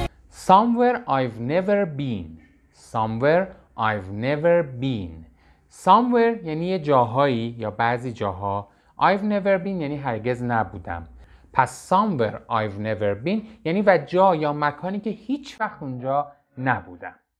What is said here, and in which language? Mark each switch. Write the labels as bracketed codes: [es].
[en] Somewhere I've never been. Somewhere I've never been. [fa] Somewhere یعنی یه جاهایی یا بعضی جاها. [en] I've never been [fa] یعنی هرگز نبودم. پس [en] somewhere I've never been [fa] یعنی و جا یا مکانی که هیچ وقت اونجا نبودم.